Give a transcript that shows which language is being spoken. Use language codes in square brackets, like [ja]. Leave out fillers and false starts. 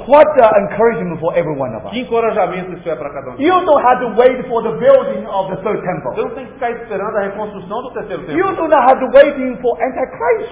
[en] what the encouragement for every one of us? [pt] Que encorajamento isso é para cada um? [en] You don't have to wait for the building of the third temple. [pt] Você não tem que ficar esperando a reconstrução do terceiro templo. [en] You do not have to waiting for Antichrist.